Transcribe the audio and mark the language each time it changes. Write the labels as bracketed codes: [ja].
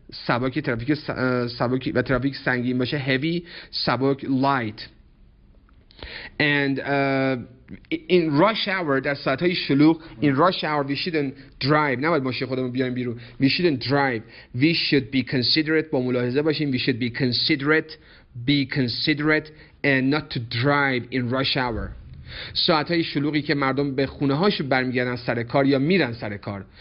[fa] سبک ترافیک سبک و ترافیک سنگین باشه heavy. [en] سبک light. And in rush hour, [fa] در ساعت های شلوغ, [en] in rush hour we shouldn't drive. [fa] نباید ماشین خودمون بیایم بیرون. [en] We shouldn't drive. We should be considerate. [fa] با ملاحظه باشیم. [en] We should be considerate. Be considerate and not to drive in rush hour. [fa] ساعت های شلوغی که مردم به خونه هاشو برمیگردن سر کار یا میرن سر کار.